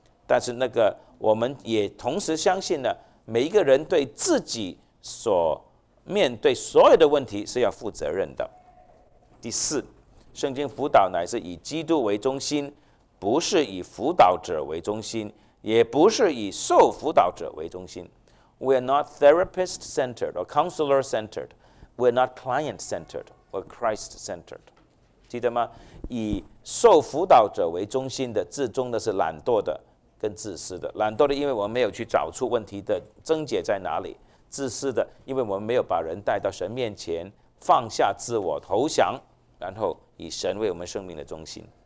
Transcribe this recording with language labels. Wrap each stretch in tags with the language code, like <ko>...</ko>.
<zh>但是那个，我们也同时相信呢，每一个人对自己所面对所有的问题是要负责任的。第四，圣经辅导乃是以基督为中心，不是以辅导者为中心，也不是以受辅导者为中心。</zh> <en>We are not therapist centered or counselor centered. We are not client centered or Christ centered.</en> <zh>记得吗？以受辅导者为中心的，至终的是懒惰的跟自私的。懒惰的，因为我们没有去找出问题的症结在哪里；自私的，因为我们没有把人带到神面前，放下自我投降，然后以神为我们生命的中心。</zh>